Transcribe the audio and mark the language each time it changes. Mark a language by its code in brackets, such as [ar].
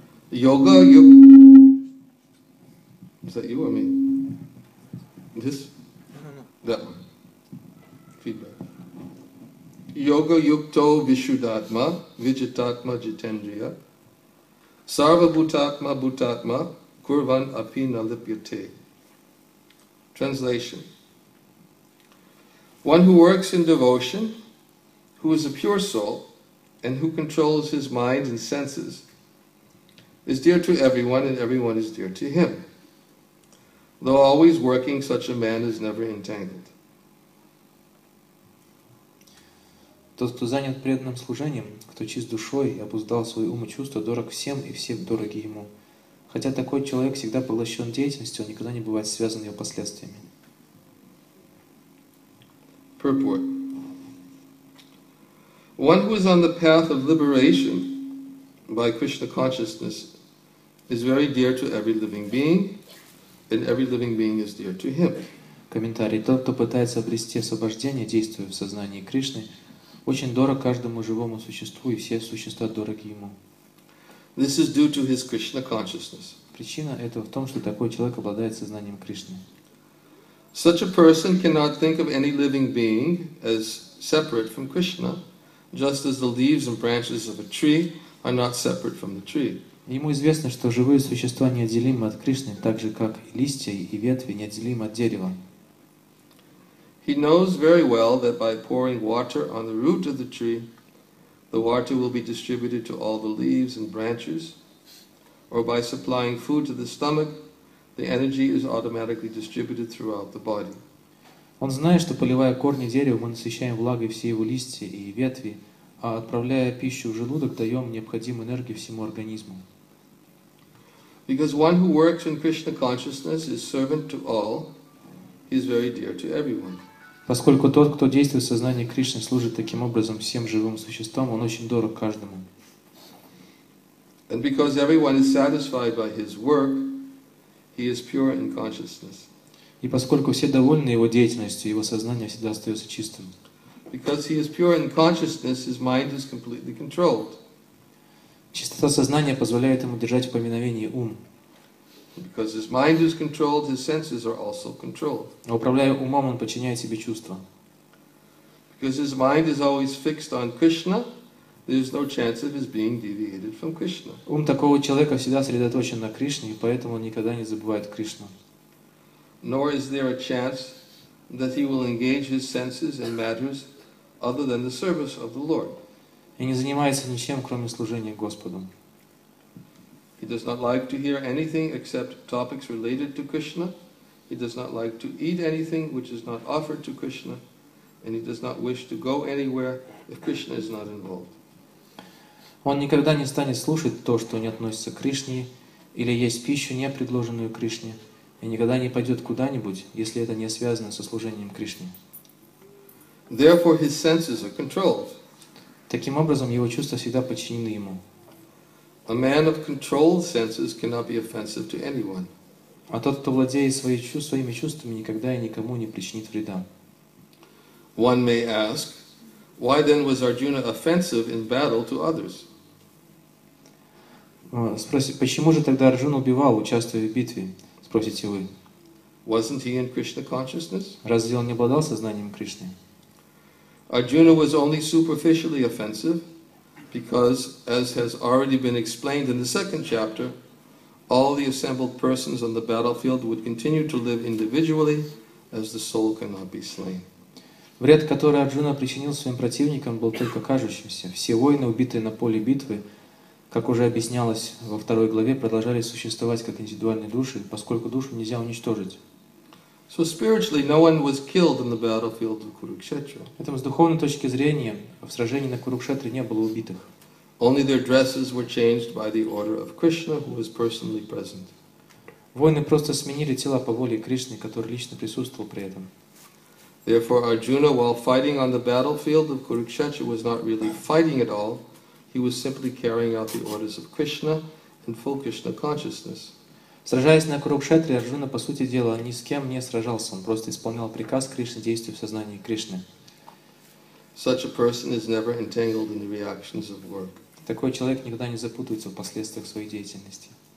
[en] Йога, Is that you or me? This? That one. Feedback. [sa] Йога юкто вишудатма виджитатма джитендрия сарва бутатма бутатма курван апи налипьяте. [en] Translation. One who works in devotion, who is a pure soul, and who controls his mind and senses, is dear to everyone and everyone is dear to him. Though always working, such a man is never entangled. [ru] Тот, кто занят преданным служением, кто чист душой и обуздал свой ум и чувства, дорог всем и все дороги ему. Хотя такой человек всегда поглощен деятельностью, он никогда не бывает связан ее последствиями. [en] Purport. One who is on the path of liberation by Krishna consciousness is very dear to every living being, and every living being is dear to him. [ru] Комментарий. Тот, кто пытается обрести освобождение, действуя в сознании Кришны, очень дорог каждому живому существу, и все существа дороги ему. [en] This is due to his Krishna consciousness. [ru] Причина этого в том, что такой человек обладает сознанием Кришны. [en] Such a person cannot think of any living being as separate from Krishna, just as the leaves and branches of a tree are not separate from the tree. [ru] Ему известно, что живые существа неотделимы от Кришны, так же как листья и ветви неотделимы от дерева. [en] He knows very well that by pouring water on the root of the tree, the water will be distributed to all the leaves and branches, or by supplying food to the stomach, the energy is automatically distributed throughout the body. [ru] Он знает, что поливая корни дерева, мы насыщаем влагой все его листья и ветви, а отправляя пищу в желудок, даем необходимую энергию всему организму. [en] Because one who works in Krishna consciousness is servant to all, he is very dear to everyone. [ru] Поскольку тот, кто действует в сознании Кришны, служит таким образом всем живым существам, он очень дорог каждому. [en] And because everyone is satisfied by his work, he is pure in consciousness. [ru] И поскольку все довольны его деятельностью, его сознание всегда остается чистым. [en] Because he is pure in consciousness, his mind is completely controlled. [ru] Чистота сознания позволяет ему держать в повиновении ум. [en] Because his mind is controlled, his senses are also controlled. [ru] Управляя умом, он подчиняет себе чувства. [en] Because his mind is always fixed on Krishna, there is no chance of his being deviated from Krishna. [ru] Ум такого человека всегда сосредоточен на Кришне, и поэтому он никогда не забывает Кришну. [en] Nor is there a chance that he will engage his senses in matters other than the service of the Lord. [ru] И не занимается ничем, кроме служения Господу. [en] He does not like to hear anything except topics related to Krishna. He does not like to eat anything which is not offered to Krishna. And he does not wish to go anywhere if Krishna is not involved. [ru] Он никогда не станет слушать то, что не относится к Кришне, или есть пищу, не предложенную Кришне, и никогда не пойдет куда-нибудь, если это не связано со служением Кришне. [en] Therefore his senses are controlled. [ru] Таким образом, его чувства всегда подчинены ему. [en] A man of controlled senses cannot be offensive to anyone. [ru] А тот, кто владеет своими чувствами, никогда и никому не причинит вреда. [en] One may ask, why then was Arjuna offensive in battle to others? [ru] Спросите, почему же тогда Арджуна убивал, участвуя в битве? Спросите вы. [en] Wasn't he in Krishna consciousness? [ru] Разве он не обладал сознанием Кришны? [en] Arjuna was only superficially offensive. Because, as has already been explained in the second chapter, all the assembled persons on the battlefield would continue to live individually, as the soul cannot be slain. [ru] Вред, который Арджуна причинил своим противникам, был только кажущимся. Все воины, убитые на поле битвы, как уже объяснялось во второй главе, продолжали существовать как индивидуальные души, поскольку душу нельзя уничтожить. [en] So spiritually, no one was killed in the battlefield of Kurukshetra. [ru] Поэтому с духовной точки зрения в сражении на Курукшетре не было убитых. [en] Only their dresses were changed by the order of Krishna, who was personally present. [ru] Воины просто сменили тела по воле Кришны, который лично присутствовал при этом. [en] Therefore, Arjuna, while fighting on the battlefield of Kurukshetra, was not really fighting at all. He was simply carrying out the orders of Krishna in full Krishna consciousness. [ru] Сражаясь на Курукшетре, Арджуна, по сути дела, ни с кем не сражался, он просто исполнял приказ Кришны, действуя в сознании Кришны. [en] Such a person is never entangled in the reactions of work. [ru] Такой человек никогда не запутывается в последствиях своей деятельности.